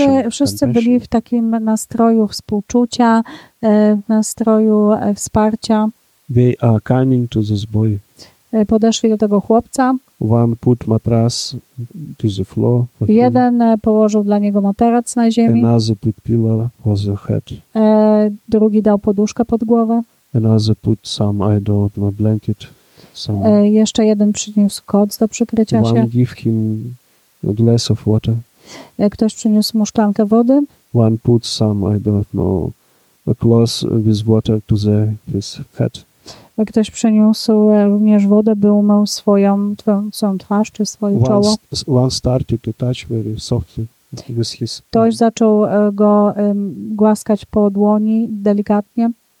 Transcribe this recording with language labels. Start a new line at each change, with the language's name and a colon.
Polish: Wszyscy byli w takim nastroju współczucia, w nastroju wsparcia.
English: They are coming to this boy.
Polish: Podeszli do tego chłopca.
English: One put mattress to the floor.
Polish: Jeden położył dla niego materac na ziemi.
English: Another put pillow for the head.
Polish: Drugi dał poduszkę pod głowę.
English: Another put some idol blanket.
Polish: Jeszcze jeden przyniósł koc do przykrycia
English: one
Polish: się.
English: One give him a glass of water.
Polish: Ktoś przyniósł mu szklankę wody.
English: One put some a cloth with water to the his head.
Polish: Ktoś przeniósł również wodę, by umył swoją twarz czy swoje czoło.
English: One started to touch very softly with his.
Polish: Ktoś zaczął go głaskać po dłoni delikatnie.